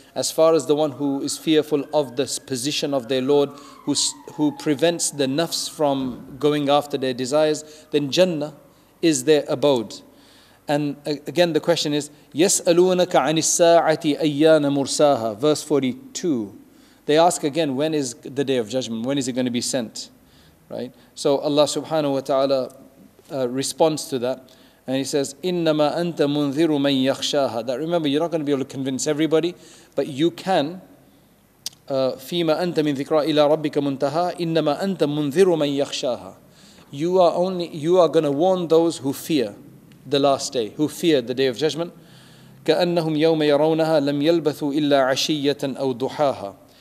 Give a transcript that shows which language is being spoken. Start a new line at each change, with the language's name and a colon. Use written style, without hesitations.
English: As far as the one who is fearful of the position of their Lord, who prevents the nafs from going after their desires, then Jannah is their abode. And again, the question is,
Arabic: يَسْأَلُونَكَ عَنِ السَّاعَةِ أَيَّانَ مُرْسَاهَا,
English: verse 42. They ask again, when is the day of judgment? When is it going to be sent? Right? So Allah subhanahu wa ta'ala responds to that. And he says,
Arabic: إِنَّمَا أَنْتَ مُنْذِرُ مَنْ يَخْشَاهَا.
English: That remember, you're not going to be able to convince everybody, but you can.
Arabic: فِيمَا أَنْتَ مِنْ ذِكْرَى إِلَىٰ رَبِّكَ مُنْتَهَا إِنَّمَا أَنْتَ مُنْذِرُ مَنْ يَخْشَاهَا.
English: You are going to warn those who fear the last day, who fear the day of judgment.
Arabic: كَأَنَّهُمْ يَوْمَ يَرَوْنَهَا لَمْ يَلْبَثُوا إِلَّا عَشِيَّةً أَوْ دُحَاهَا.